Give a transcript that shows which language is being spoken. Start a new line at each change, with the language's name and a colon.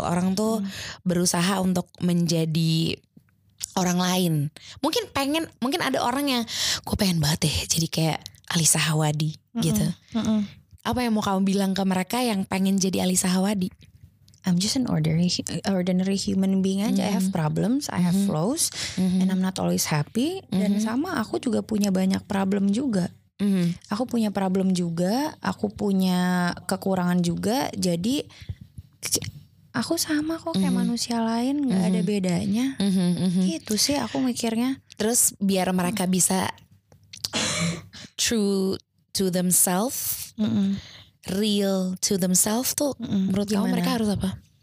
Indonesian: Orang tuh berusaha untuk menjadi orang lain. Mungkin pengen, mungkin ada orang yang, gue pengen banget deh jadi kayak Alisa Hawadi gitu. Apa yang mau kamu bilang ke mereka yang pengen jadi Alisa Hawadi?
English: I'm just an ordinary human being
Indonesian: aja.
English: I have problems, I have flaws, and I'm not always happy.
Indonesian: Dan sama, aku juga punya banyak problem juga. Aku punya problem juga, aku punya kekurangan juga. Jadi aku sama kok kayak manusia lain, gak ada bedanya. Gitu sih aku mikirnya. Terus biar mereka bisa
English: true to themselves, real to themselves
Indonesian: tuh, menurut kamu mereka harus apa?